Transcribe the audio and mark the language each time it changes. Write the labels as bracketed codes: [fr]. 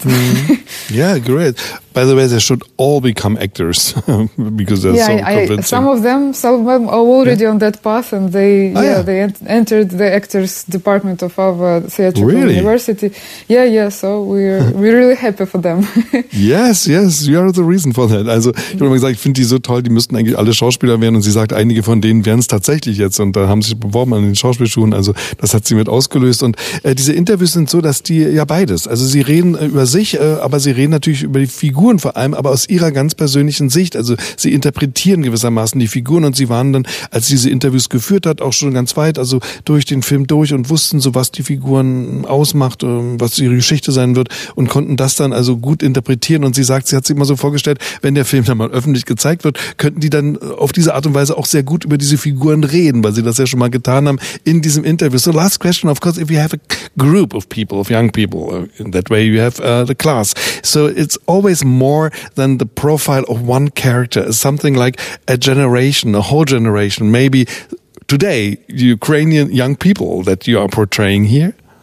[en] Mm-hmm. Yeah, great. By the way, they should all become actors, because they're so convincing. Some of them are already on that path, and they entered the actors department of our theatrical university. Yeah, so we're really happy for them. yes, you are the reason for that. [de] Also, ich habe immer gesagt, ich finde die so toll, die müssten eigentlich alle Schauspieler werden, und sie sagt, einige von denen werden es tatsächlich jetzt, und da haben sich beworben an den Schauspielschulen, also das hat sie mit ausgelöst. Und diese Interviews sind so, dass die ja beides, also sie reden über sich, aber sie reden natürlich über die Figur. Figuren vor allem, aber aus ihrer ganz persönlichen Sicht. Also sie interpretieren gewissermaßen die Figuren und sie waren dann, als sie diese Interviews geführt hat, auch schon ganz weit, also durch den Film durch und wussten so, was die Figuren ausmacht, was ihre Geschichte sein wird und konnten das dann also gut interpretieren. Und sie sagt, sie hat sich immer so vorgestellt, wenn der Film dann mal öffentlich gezeigt wird, könnten die dann auf diese Art und Weise auch sehr gut über diese Figuren reden, weil sie das ja schon mal getan haben in diesem Interview. [en] So last question, of course, if you have a group of people, of young people, in that way you have the class. So it's always more than the profile of one character. It's something like a generation, a whole generation. Maybe today, Ukrainian young people that you are portraying here.